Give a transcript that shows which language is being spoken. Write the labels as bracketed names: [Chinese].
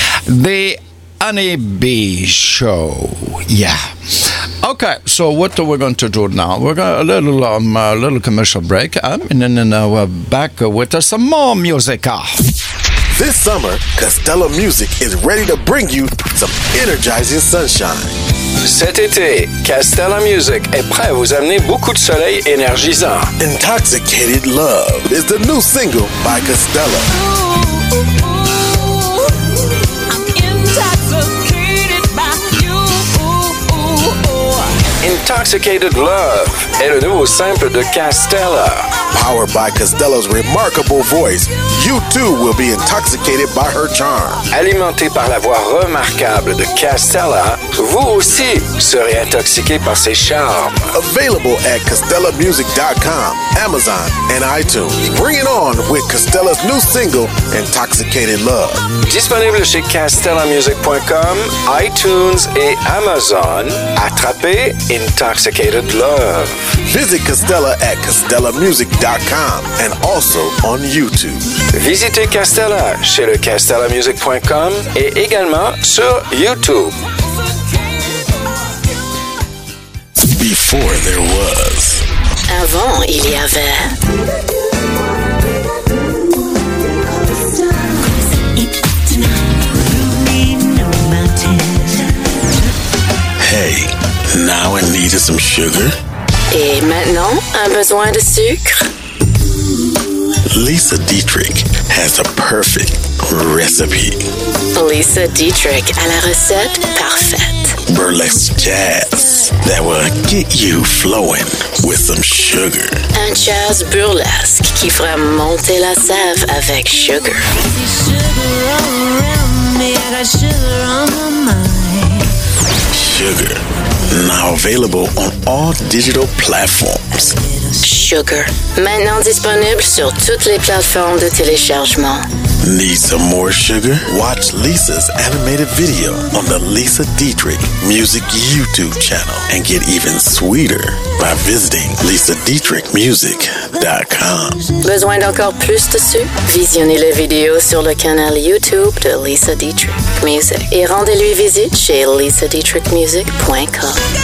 [English] The Honey Bee Show. Yeah. Okay, so what are we going to do now? We're going to a little commercial break, and then we're back with some more music. This summer, Costello Music is ready to bring you some energizing sunshine. [French] Cet été, Castella Music est prêt à vous amener beaucoup de soleil énergisant. [English] Intoxicated Love is the new single by Castella. [French] Intoxicated Love est le nouveau simple de Castella. [English] Powered by Castella's remarkable voice, you too will be intoxicated by her charm. [French] Alimenté par la voix remarquable de Castella, vous aussi serez intoxiqué par ses charmes. [English] Available at CastellaMusic.com, Amazon, and iTunes. Bring it on with Castella's new single, Intoxicated Love. [French] Disponible chez CastellaMusic.com, iTunes et Amazon. Attrapez Intoxicated Love. [English] Visit Castella at CastellaMusic.com and also on YouTube. [French] Visitez Castella chez le CastellaMusic.com et également sur YouTube. [English] Before there was. [French] Avant, il y avait. [English] Hey, now I needed some sugar. [French] Et maintenant, un besoin de sucre. [English] Lisa Dietrich has a perfect recipe. [French] Lisa Dietrich a la recette parfaite. [English] Burlesque jazz that will get you flowing with some sugar. [French] Un jazz burlesque qui fera monter la sève avec sugar. [English] Sugar all around me, I got sugar on my mind. Sugar, now available on all digital platforms. [French] Sugar, maintenant disponible sur toutes les plateformes de téléchargement. [English] Need some more sugar? Watch Lisa's animated video on the Lisa Dietrich Music YouTube channel and get even sweeter by visiting lisadietrichmusic.com. [French] Besoin d'encore plus de sucre? Visionnez les vidéos sur le canal YouTube de Lisa Dietrich Music et rendez-lui visite chez lisadietrichmusic.com.